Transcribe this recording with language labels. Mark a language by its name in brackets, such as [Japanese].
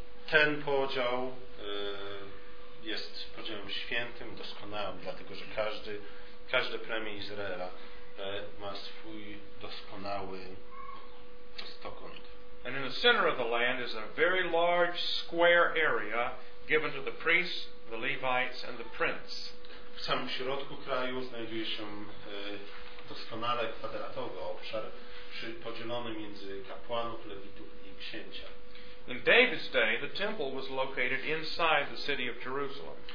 [Polish] Ten podział jest podziałem świętym, doskonałym, dlatego że każdy plemię Izraela ma swój doskonały stokąt. [English] And in the center of the land is a very large square area given to the priests, the Levites, and the prince. [Polish] W samym środku kraju znajduje się doskonale kwadratowy obszar podzielony między kapłanów, lewitów i księcia. [English] In David's day, the temple was located inside the city of Jerusalem.